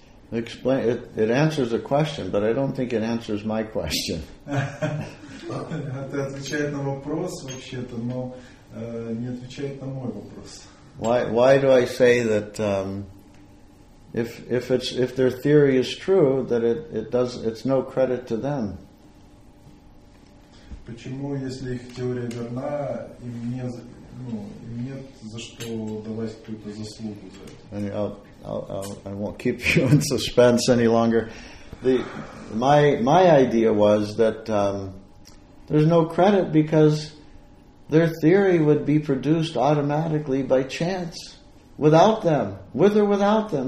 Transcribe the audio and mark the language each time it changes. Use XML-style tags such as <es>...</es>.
<en>It answers a question, but I don't think it answers my question.</en> <ru>Это отвечает на вопрос вообще-то, но не отвечает на мой вопрос.</ru> <en>Why do I say that if their theory is true, that it's no credit to them?</en> <ru>Почему, если их теория верна, им нет за что давать какую-то заслугу за это?</ru> <en>I won't keep you in suspense any longer. My idea was that there's no credit because their theory would be produced automatically by chance, without them, with or without them.</en>